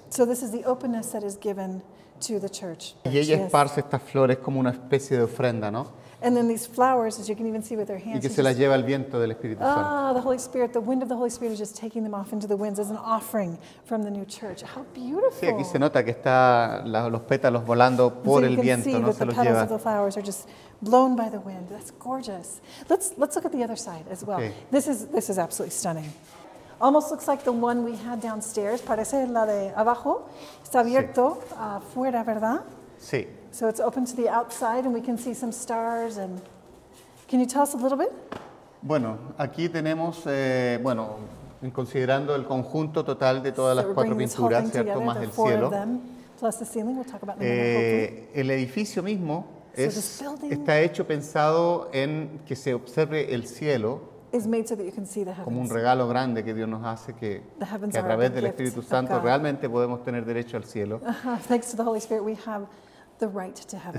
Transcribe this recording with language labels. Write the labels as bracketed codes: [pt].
[en] So this is the openness that is given to the church. [es] Y ella esparce estas flores como una especie de ofrenda, ¿no? [en] And then these flowers, as you can even see with their hands. [es] Y que se las lleva el viento del Espíritu Santo. [en] Ah, the Holy Spirit, the wind of the Holy Spirit is just taking them off into the winds as an offering from the new church. How beautiful. [es] Sí, aquí se nota que está los pétalos volando por el viento, ¿no? Se los lleva. [en] The petals of the flowers are just blown by the wind. That's gorgeous. Let's look at the other side as well. Okay. This is absolutely stunning. Almost looks like the one we had downstairs. [es] Parece la de abajo. Está abierto afuera, ¿verdad? Sí. [en] So it's open to the outside and we can see some stars. And can you tell us a little bit? [es] Bueno, aquí tenemos, bueno, considerando el conjunto total de todas las cuatro pinturas, ¿cierto? Más el cielo. [en] Plus the ceiling, we'll talk about them. [es] El edificio mismo está hecho pensado en que se observe el cielo. [en] Is made so that you can see the heavens. [es] Como un regalo grande que Dios nos hace que a través del Espíritu Santo realmente podemos tener derecho al cielo. [en] Thanks to the Holy Spirit we have the right to heaven.